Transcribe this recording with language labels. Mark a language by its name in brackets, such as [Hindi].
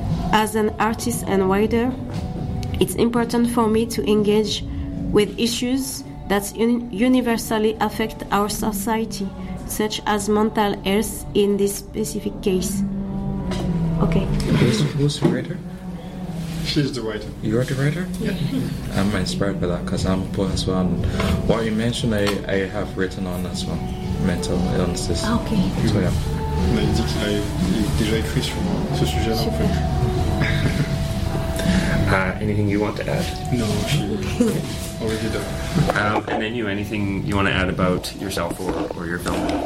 [English] As an artist and writer, it's important for me to engage with issues that universally affect our society, such as mental health in this specific case. Okay. Who's the writer? She's the writer. You're the writer? Yeah. I'm inspired by that because I'm a poet as well. And what you mentioned, I have written on as well. Mental illnesses. Okay. So, yeah. [French] Mais il dit qu'il a déjà écrit sur ce sujet-là, en fait. [English] Anything you want to add? No, she already done. And then anything you want to add about yourself or your film?